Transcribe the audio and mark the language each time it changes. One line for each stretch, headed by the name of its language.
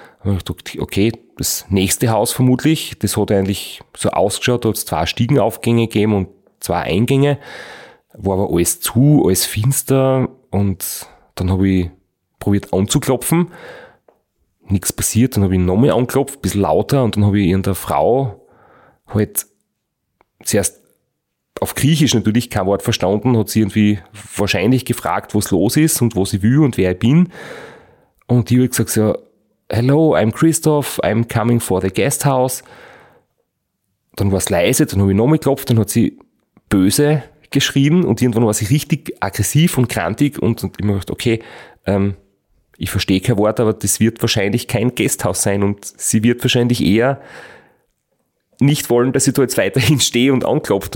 German: Da habe ich gedacht, okay, das nächste Haus vermutlich, das hat eigentlich so ausgeschaut, da hat es zwei Stiegenaufgänge gegeben und zwei Eingänge, war aber alles zu, alles finster und dann habe ich probiert anzuklopfen, nichts passiert, dann habe ich nochmal angeklopft, ein bisschen lauter und dann habe ich irgendeine Frau halt zuerst auf Griechisch natürlich kein Wort verstanden, hat sie irgendwie wahrscheinlich gefragt, was los ist und was ich will und wer ich bin und die hat gesagt, so,
English: Hello, I'm Christoph, I'm coming for the guest house.
German: Dann war es leise, dann habe ich nochmal geklopft, dann hat sie böse geschrien und irgendwann war sie richtig aggressiv und krantig und ich habe gedacht, okay, ich verstehe kein Wort, aber das wird wahrscheinlich kein Gasthaus sein und sie wird wahrscheinlich eher nicht wollen, dass ich da jetzt weiterhin stehe und anklopft.